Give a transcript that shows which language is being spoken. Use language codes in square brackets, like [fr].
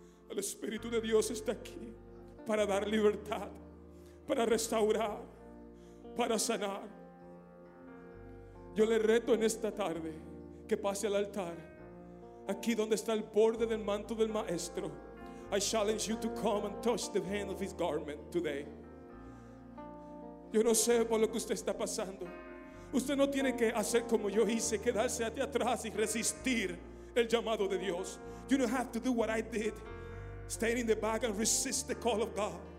[es] El Espíritu de Dios está aquí para dar libertad, para restaurar, para sanar. Yo le reto en esta tarde que pase al altar, aquí donde está el borde del manto del Maestro. [en] I challenge you to come and touch the hem of his garment today. [es] Yo no sé por lo que usted está pasando. Usted no tiene que hacer como yo hice, quedarse hacia atrás y resistir el llamado de Dios. [en] You don't have to do what I did, stay in the back and resist the call of God.